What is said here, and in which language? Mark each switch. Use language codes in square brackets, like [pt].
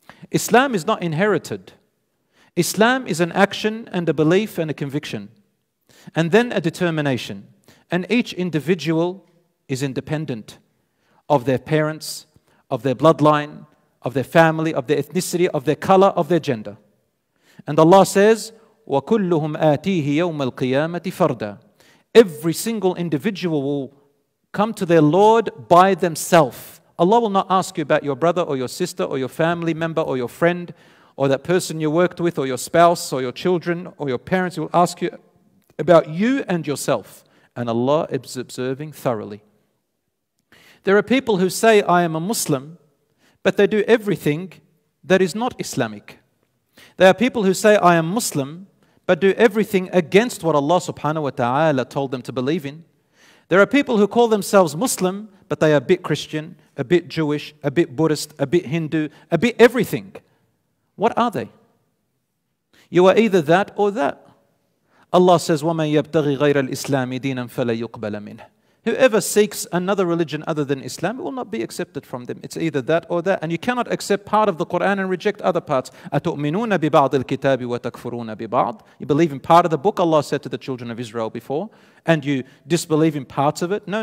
[en] Islam is not inherited. Islam is an action and a belief and a conviction, and then a determination. And each individual is independent of their parents, of their bloodline, of their family, of their ethnicity, of their color, of their gender. And Allah says, [ar] وَكُلُّهُمْ آتِيهِ يَوْمَ الْقِيَامَةِ فَرْدًا. [en] Every single individual will come to their Lord by themselves. Allah will not ask you about your brother or your sister or your family member or your friend or that person you worked with or your spouse or your children or your parents. He will ask you about you and yourself. And Allah is observing thoroughly. There are people who say, I am a Muslim, but they do everything that is not Islamic. There are people who say, I am Muslim, but do everything against what Allah subhanahu wa ta'ala told them to believe in. There are people who call themselves Muslim, but they are a bit Christian, a bit Jewish, a bit Buddhist, a bit Hindu, a bit everything. What are they? You are either that or that. Allah says, [ar] وَمَن يَبْتَغِ غَيْرَ الْإِسْلَامِ دِينًا فَلَيُقْبَلَ مِنْهُ. [en] Whoever seeks another religion other than Islam, it will not be accepted from them. It's either that or that. And you cannot accept part of the Quran and reject other parts. [ar] أَتُؤْمِنُونَ بِبَعْضِ الْكِتَابِ وَتَكْفُرُونَ بِبَعْضِ. [en] You believe in part of the book, Allah said to the children of Israel before, and you disbelieve in parts of it. No.